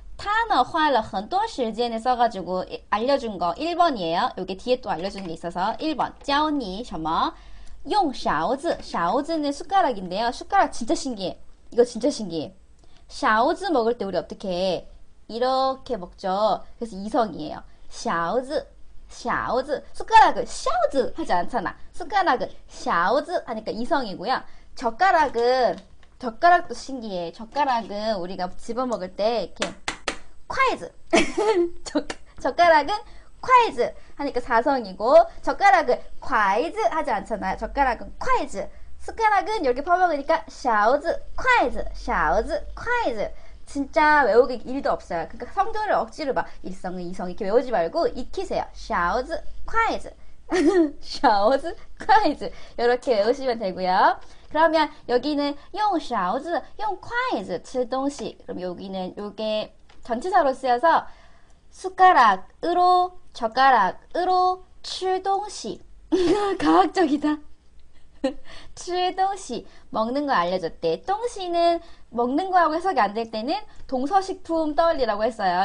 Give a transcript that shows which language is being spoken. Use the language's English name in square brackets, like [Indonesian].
[Chinese] 他呢花了很多时间 [Korean] 을 써가지고 알려준 거 1번이에요. 여기 뒤에 또 알려주는 게 있어서. [Chinese] 1번, 教你 什么? [Korean] 用勺子, 勺子는 숟가락인데요. 숟가락 진짜 신기해. 이거 진짜 신기해. 勺子 먹을 때 우리 어떻게 해? 이렇게 먹죠. 그래서 이성이에요. 勺子, 勺子, 숟가락을 勺子 하지 않잖아. 숟가락을 勺子 하니까 이성이고요. 젓가락도 신기해. 젓가락은 우리가 집어먹을 때 이렇게 筷子, 젓가락은 筷子 하니까 사성이고, 젓가락은 筷子 하지 않잖아요. [Chinese] 젓가락은 筷子, 숟가락은 이렇게 퍼먹으니까 勺子, 筷子, 勺子, 筷子. [Korean] 진짜 외우기 1도 없어요. 그러니까 성조를 억지로 막 일성, 이성 이렇게 외우지 말고 익히세요. [Chinese] 勺子, 筷子, 勺子, 筷子 이렇게 외우시면 되고요. [Korean] 그러면 여기는 [Chinese] 用勺子, 用筷子吃东西. [Korean] 그럼 여기는 요게 전치사로 쓰여서 숟가락으로, 젓가락으로 [Chinese] 吃东西. [Korean] 과학적이다. [Chinese] 吃东西, [Korean] 먹는 거 알려줬대. 东西는 먹는 거하고 해석이 안될 때는 동서식품 떠올리라고 했어요.